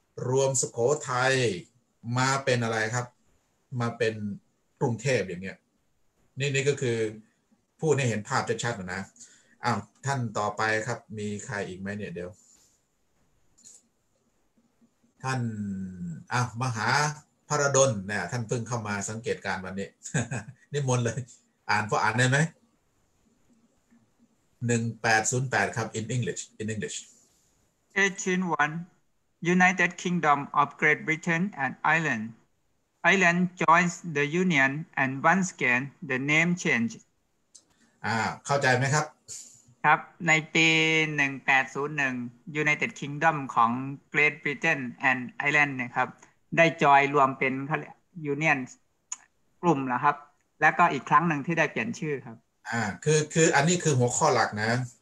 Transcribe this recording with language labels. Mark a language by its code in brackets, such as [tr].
[th] รวมสุโขทัยมาเป็นอะไรครับมาเป็นกรุงเทพอย่างเงี้ยนี่ก็คือพูดให้เห็นภาพชัดๆนะอ้าวท่านต่อไปครับมีใครอีกไหมเนี่ยเดี๋ยวท่านมหาพระดลเนี่ยท่านเพิ่งเข้ามาสังเกตการณ์วันนี้นิมนต์เลยอ่านพออ่านได้ไหม1808ครับ [en] in English 1801 United Kingdom of Great Britain and Ireland Ireland joins the union and once again the name change [th] เข้าใจไหมครับ ครับในปี1801 United Kingdom ของ Great Britain and Ireland นะครับได้จอยรวมเป็น union กลุ่มแล้วครับแล้วก็อีกครั้งหนึ่งที่ได้เปลี่ยนชื่อครับ คืออันนี้คือหัวข้อหลักนะ